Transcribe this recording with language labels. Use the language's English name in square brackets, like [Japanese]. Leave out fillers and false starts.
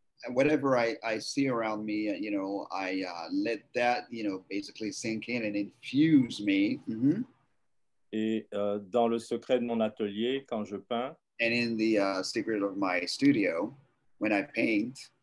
[English] Whatever I see around me, you know, I let that, you know, basically sink in and infuse me. [French] Et dans le secret de mon atelier, quand je peins. [English] And in the secret of my studio, when I paint.